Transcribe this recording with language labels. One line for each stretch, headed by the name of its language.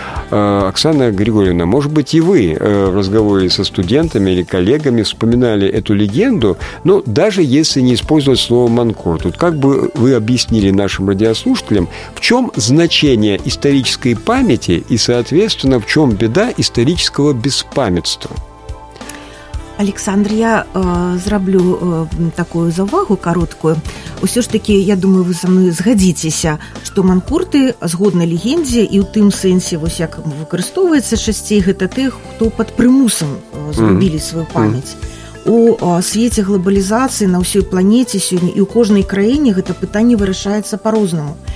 Russian: Оксана Григорьевна, может быть, и вы в разговоре со студентами или коллегами вспоминали эту легенду, но даже если не использовать слово «манкурт», вот как бы вы объяснили нашим радиослушателям, в чем значение исторической памяти и, соответственно, в чем беда исторического беспамятства?
Belarusian: Александр, я зроблю такую завагу короткую. Усё ж таки, я думаю, вы со мной згадзіцеся, што манкурты згодна легендзе і ў тым сэнсе, вось як выкарыстоўваецца часцей, гэта тых, хто пад прымусам згубілі сваю памяць. У свеце глабалізацыі на ўсёй планеце сёння і ў кожнай краіне гэта пытанне вырашаецца па-рознаму.